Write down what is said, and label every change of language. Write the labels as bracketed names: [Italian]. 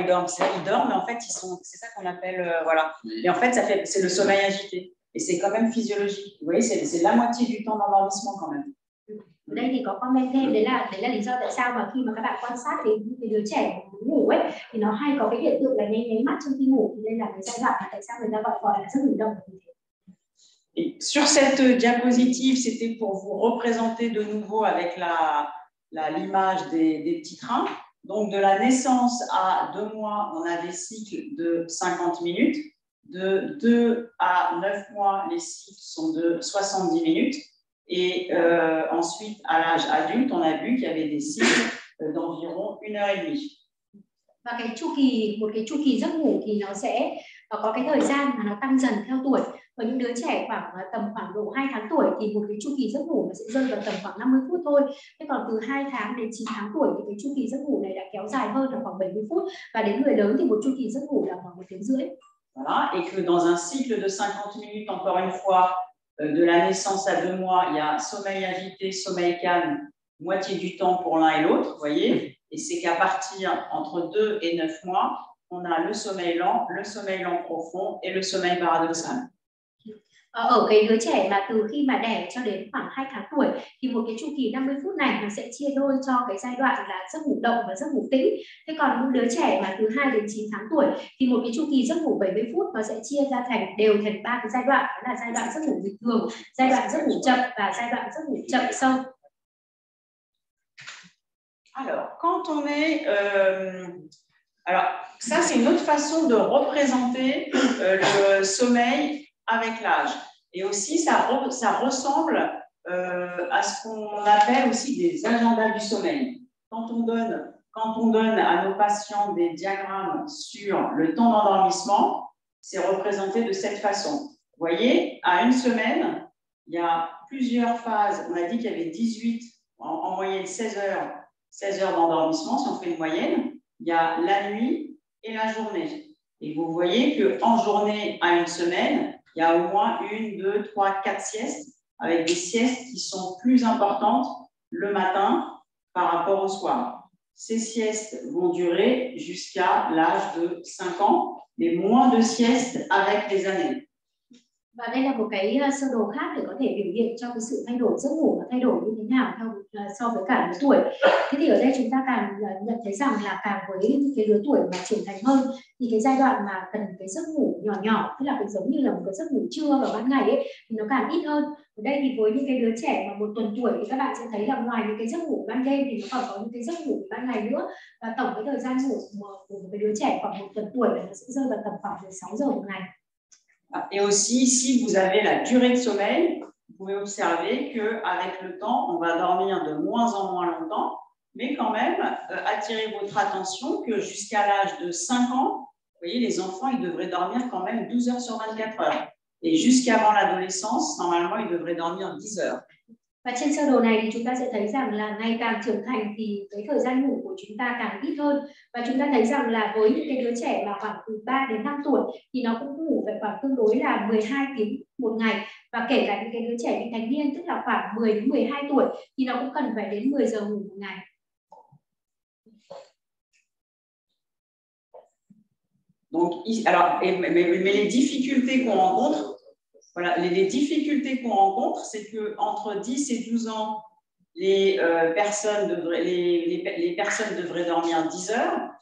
[French] Oui, voilà, quand ils dorment, mais en fait c'est ça qu'on appelle voilà. Et en fait ça fait, c'est le sommeil agité, et c'est quand même physiologique. Vous voyez, c'est la moitié du temps d'endormissement quand même. [Vietnamese] Đây thì có comment thêm, đấy là lý do tại sao mà khi mà các bạn quan sát thì cái đứa trẻ ngủ ấy thì nó hay có cái hiện tượng là nháy mắt trong khi ngủ, nên là cái giai đoạn tại sao người ta gọi là giấc ngủ động. [French] Sur cette diapositive, c'était pour vous représenter de nouveau avec l'image des petits trains. Donc de la naissance à 2 mois, on a des cycles de 50 minutes. De 2 à 9 mois, les cycles sont de 70 minutes. Et ensuite, à l'âge adulte, on a vu qu'il y avait des cycles d'environ 1h30. [Vietnamese] Và cái chu kỳ giấc ngủ thì nó sẽ có cái thời gian mà nó tăng dần theo tuổi. Ở những đứa trẻ khoảng tầm khoảng độ 2 tháng tuổi thì một cái chu kỳ giấc ngủ nó sẽ rơi vào tầm khoảng 50 phút thôi. Thế còn từ 2 tháng đến 9 tháng tuổi thì cái chu kỳ giấc ngủ này đã kéo dài hơn là khoảng 70 phút. Và đến người lớn thì một chu kỳ giấc ngủ là khoảng 1 tiếng rưỡi. [French] Voilà, et que dans un cycle de 50 minutes, encore une fois, de la naissance à 2 mois, il y a sommeil agité, sommeil calme, moitié du temps pour l'un et l'autre, vous voyez. Et c'est qu'à partir entre 2 et 9 mois, on a le sommeil lent profond et le sommeil paradoxal. [Vietnamese] Ở cái đứa trẻ là từ khi mà đẻ cho đến khoảng 2 tháng tuổi thì một cái chu kỳ 50 phút này nó sẽ chia đôi cho cái giai đoạn là giấc ngủ động và giấc ngủ tĩnh. Thế còn những đứa trẻ mà từ 2 đến 9 tháng tuổi thì một cái chu kỳ giấc ngủ 70 phút nó sẽ chia ra thành đều thành 3 cái giai đoạn, đó là giai đoạn giấc ngủ bình thường, giai đoạn giấc ngủ chậm và giai đoạn giấc ngủ chậm sâu. [French] Alors, quand on est alors, ça c'est une autre façon de représenter le sommeil avec l'âge. Et aussi, ça ressemble à ce qu'on appelle aussi des agendas du sommeil. Quand on donne à nos patients des diagrammes sur le temps d'endormissement, c'est représenté de cette façon. Vous voyez, à une semaine, il y a plusieurs phases. On a dit qu'il y avait 18, en moyenne 16 heures d'endormissement, si on fait une moyenne. Il y a la nuit et la journée. Et vous voyez qu'en journée, à une semaine, il y a au moins une, deux, trois, quatre siestes, avec des siestes qui sont plus importantes le matin par rapport au soir. Ces siestes vont durer jusqu'à l'âge de 5 ans, mais moins de siestes avec les années. [Vietnamese] Và đây là một cái sơ đồ khác để có thể biểu hiện cho cái sự thay đổi giấc ngủ và thay đổi như thế nào theo so với cả lứa tuổi. Thế thì ở đây chúng ta càng nhận thấy rằng là càng với cái lứa tuổi mà trưởng thành hơn thì cái giai đoạn mà cần cái giấc ngủ nhỏ nhỏ, tức là giống như là một cái giấc ngủ trưa và ban ngày ấy, thì nó càng ít hơn. Ở đây thì với những cái đứa trẻ mà 1 tuần tuổi thì các bạn sẽ thấy là ngoài những cái giấc ngủ ban đêm thì nó còn có những cái giấc ngủ ban ngày nữa. Và tổng cái thời gian ngủ của một cái đứa trẻ khoảng 1 tuần tuổi là nó sẽ rơi vào tầm khoảng 6 giờ một ngày. [French] Et aussi, si vous avez la durée de sommeil, vous pouvez observer qu'avec le temps, on va dormir de moins en moins longtemps, mais quand même, attirer votre attention que jusqu'à l'âge de 5 ans, vous voyez, les enfants, ils devraient dormir quand même 12 heures sur 24 heures. Et jusqu'avant l'adolescence, normalement, ils devraient dormir 10 heures. [Vietnamese] Và trên sơ đồ này thì chúng ta sẽ thấy rằng là ngày càng trưởng thành thì cái thời gian ngủ của chúng ta càng ít hơn. Và chúng ta thấy rằng là với những cái đứa trẻ mà khoảng từ 3 đến 5 tuổi thì nó cũng ngủ về khoảng tương đối là 12 tiếng một ngày. Và kể cả những cái đứa trẻ bị thành niên, tức là khoảng 10 đến 12 tuổi thì nó cũng cần phải đến 10 giờ ngủ một ngày. [French] Donc, mais les difficultés qu'on rencontre, voilà, les difficultés qu'on rencontre, c'est que entre 10 et 12 ans, les personnes devraient dormir 10 heures.